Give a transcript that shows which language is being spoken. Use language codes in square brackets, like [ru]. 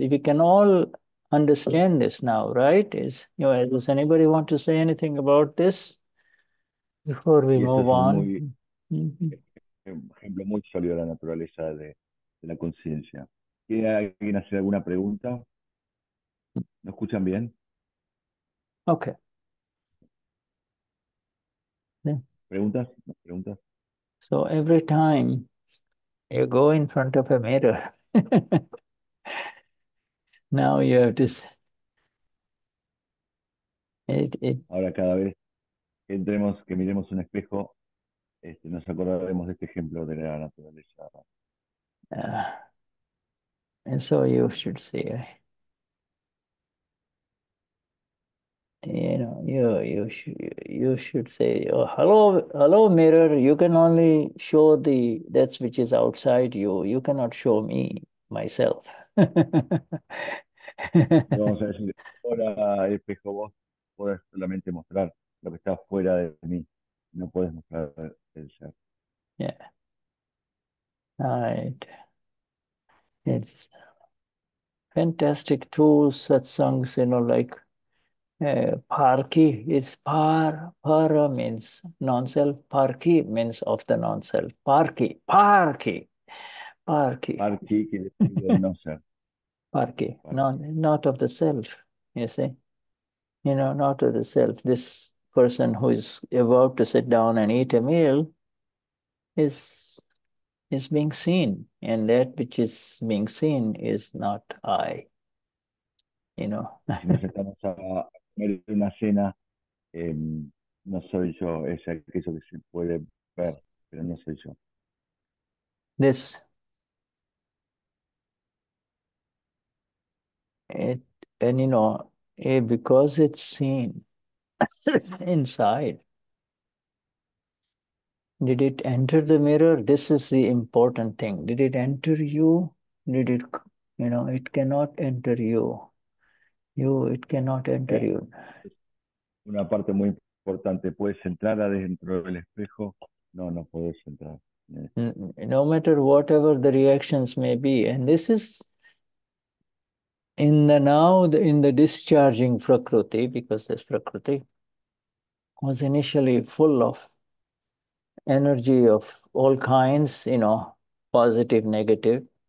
[en] If we can all understand this now, right? Is, you know, does anybody want to say anything about this before we move on? [es] Ejemplo muy sólido de la naturaleza de la conciencia. ¿Quiere alguien hacer alguna pregunta? ¿No escuchan bien? [en] Okay. [es] ¿Preguntas? ¿Preguntas? [en] So every time you go in front of a mirror, now you have to [es] Ahora cada vez que entremos, que miremos un espejo, este, nos acordaremos de este ejemplo de la naturaleza. [en] And so you should see. You know, you should say, oh, hello, mirror. You can only show the that which is outside you. You cannot show me myself. [es] Vamos a decir, hola, espejo, vos puedes solamente mostrar lo que está fuera de mí. No puedes mostrar el ser. [en] Yeah. All right. It's fantastic tools, such songs, you know, like. Parki is para means non-self. Parki means of the non-self. Parki. Parki, non-self. Parki, not of the self, you see. You know, not of the self. This person who is about to sit down and eat a meal is being seen. And that which is being seen is not I, you know. [es] Una cena, no soy yo, es aquello que se puede ver, pero no soy yo. [en] This. And you know, because it's seen inside, did it enter the mirror? This is the important thing. Did it enter you? Did it, you know, it cannot enter you. It cannot enter you. [es] Una parte muy importante, puedes entrar adentro del espejo. No puedes entrar. [en] No matter whatever the reactions may be, and this is in the now, in the discharging prakriti, because this prakriti was initially full of energy of all kinds, you know, positive, negative.